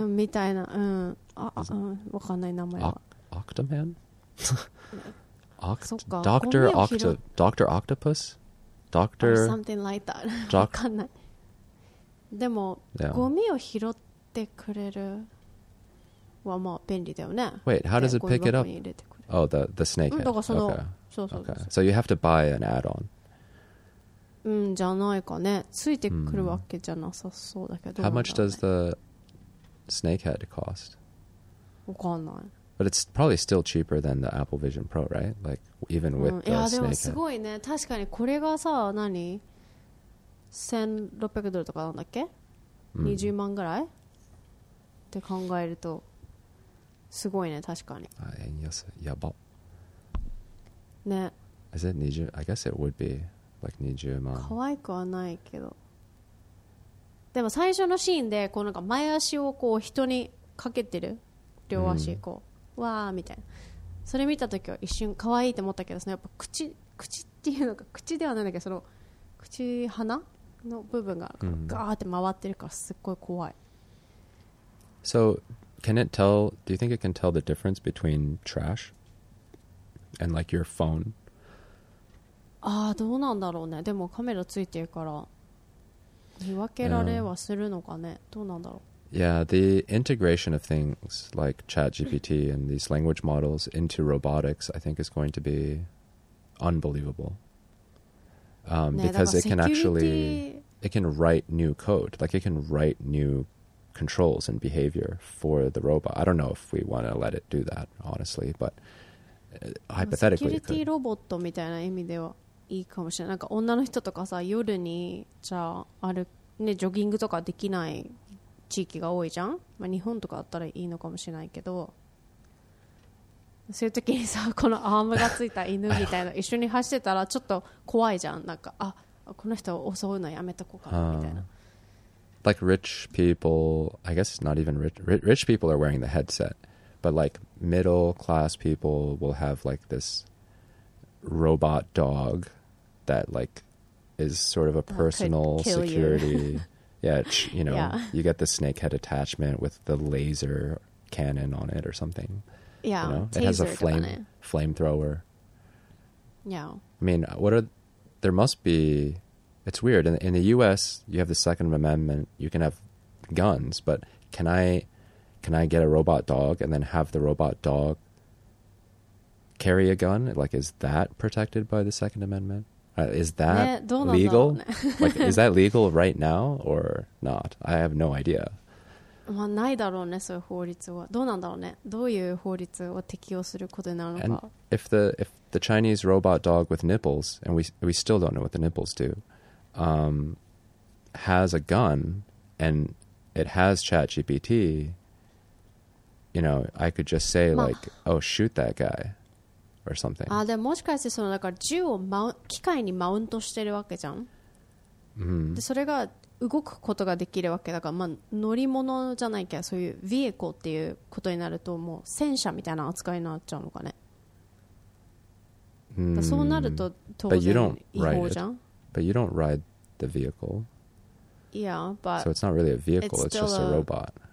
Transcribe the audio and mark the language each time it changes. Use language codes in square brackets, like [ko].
[ja] うん、みたいな、うん。わかんない名前は。オクトマン？ドクター・オクトパス？ドクター [en] ・ something like that. [ja] わかんない。でも、yeah. ゴミを拾ってくれるはまあ便利だよね。 [en] Wait, how does it pick it up? Oh, the snake head. [ja] だからその、 [en] okay. [ja] そう。 [en] So you have to buy an add-on. [ja] んじゃないかね。ついてくるわけじゃなさそうだけど。 [en] How much does the snakehead cost? [ja] わかんない。 [en] But it's probably still cheaper than the Apple Vision Pro, right? Like, even with the snakehead. [ja] いやでもすごいね。確かにこれがさ、何？1600ドルとかなんだっけ？20万ぐらい？って考えるとすごいね、確かに。あ、円安、やば。ね。 [en] Is it 20? I guess it would be like 20万。 [ja] 可愛くはないけど。でも最初のシーンで、こうなんか前足をこう人にかけてる。両足こう。うん、わーみたいな、それ見たときは一瞬可愛いと思ったけど、そのやっぱ口っていうのか、口ではないんだけど、その口鼻の部分がガーって回ってるからすっごい怖い。 [en] So can it tell, do you think it can tell the difference between trash and like your phone? [ja] あー、どうなんだろうね。でもカメラついてるから見分けられはするのかね。どうなんだろう。 [en] Yeah, the integration of things like ChatGPT and these language models into robotics, I think, is going to be unbelievable. Because it can actually, it can write new code, like it can write new controls and behavior for the robot. I don't know if we want to let it do that, honestly, but hypothetically, it could. [ja] セキュリティロボットみたいな意味ではいいかもしれない。なんか女の人とかさ、夜にじゃあ歩ね、ジョギングとかできない地域が多いじゃん、まあ、日本とかあったらいいのかもしれないけど、そういう時にさ、このアームがついた犬みたいな一緒に走ってたらちょっと怖いじゃん。なんか、あ、この人を襲うのやめとこうかなみたいな。 [en] Like rich people, I guess not even rich, rich people are wearing the headset, but like middle class people will have like this robot dog that like is sort of a personal security. Yeah, you know, yeah. You get the snake head attachment with the laser cannon on it or something. Yeah, you know? It has a flamethrower. Yeah. I mean, there must be, it's weird. In the U.S., you have the Second Amendment, you can have guns, but can I get a robot dog and then have the robot dog carry a gun? Like, is that protected by the Second Amendment? Is that legal? Like, is that legal right now or not? I have no idea. [ja] まあ、ないだろうね、そういう法律は。どうなんだろうね。どういう法律を適用することになるのか。 [en] And if the Chinese robot dog with nipples, and we still don't know what the nipples do, has a gun and it has ChatGPT, you know, I could just say like, oh, shoot that guy. Or something. [ja] あ、でももしかしてそのだから銃を機械にマウントしてるわけじゃん、 mm-hmm. でそれが動くことができるわけだから、まあ、乗り物じゃないけどそういうビエコっていうことになるともう戦車みたいな扱いになっちゃうのかね、 mm-hmm. かそうなると当然違法じゃん。 [en] But you don't ride the vehicle. Yeah, but so it's not really a vehicle, it's just a robot.